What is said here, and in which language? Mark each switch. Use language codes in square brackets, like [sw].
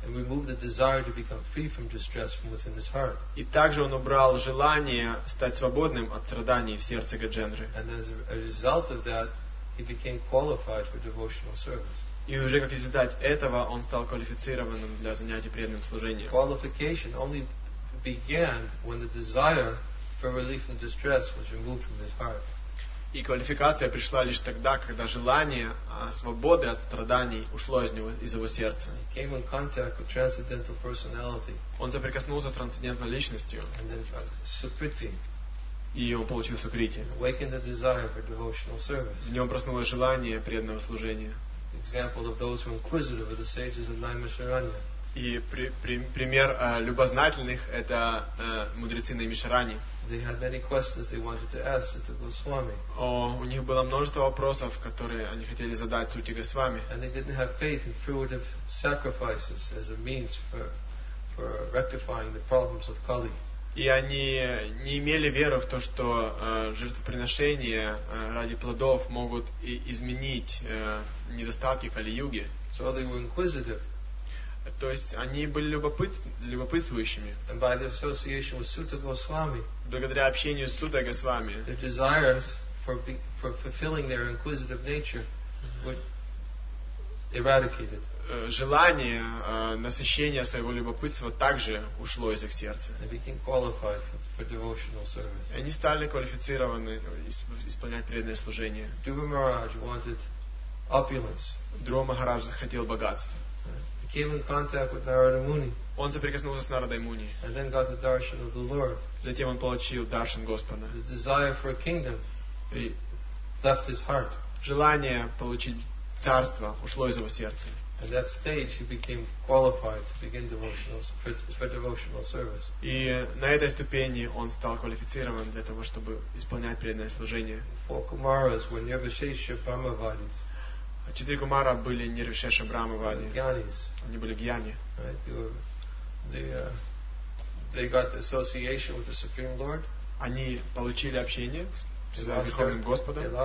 [en] And removed the desire to become free from distress from within his heart. [ru] И также он убрал желание стать свободным от страданий в сердце Гаджендры. [en] And as a result of that, he became qualified for devotional service. [ru] И уже как результат этого он стал квалифицированным для занятий преданным служением. [en] Qualification only began when the desire for relief from distress was removed from his heart. [ru] И квалификация пришла лишь тогда, когда желание свободы от страданий ушло из него, из его сердца. [en] He came in contact with transcendental personality. [ru] Он соприкоснулся с трансцендентной личностью. [en] And then Sukriti. [ru] И он получил Сукрити. [en] Awakened the desire for devotional service. [ru] В нем проснулось желание преданного служения. [en] Example of those who are inquisitive are the sages of Naimisharanya. [ru] И пример любознательных — это мудрецы Наймишарани. [en] They had many questions they wanted to ask Sutta Goswami. [ru] У них было множество вопросов, которые они хотели задать Сутте Госвами. [en] And they didn't have faith in fruitive sacrifices as a means for rectifying the problems of Kali. [ru] И они не имели веры в то, что жертвоприношения ради плодов могут изменить недостатки Кали-юги. [en] So they were inquisitive. [ru] То есть они были любопытствующими. [en] And by the association with Sutta Goswami, [ru] благодаря общению с Сутта Госвами, [en] their desires for fulfilling their inquisitive nature were eradicated. [ru] Желание насыщения своего любопытства также ушло из их сердца. [en] They became qualified for devotional service. [ru] Они стали квалифицированы исполнять преданное служение. [en] Dhruva Maharaj wanted opulence. [ru] Dhruva Maharaj захотел богатства. [en] Came in contact with Narada Muni. [ru] Он соприкоснулся с Нарадой Муни. [en] And then got the darshan of the Lord. [ru] Затем он получил даршан Господа. [en] The desire for a kingdom left his heart. [ru] Желание получить царство ушло из его сердца. [en] At that stage, he became qualified to begin devotional for devotional service. [ru] И на этой ступени он стал квалифицирован для того, чтобы исполнять преданное служение. [en] Four kumaras were nirvishesha brahmavadins. [ru] А четыре кумара были нирвишеша брахмавади. Гьянис. Они были гьяни. [en] Right, they got the association with the Supreme Lord. [ru] Они получили общение с Верховным Господом.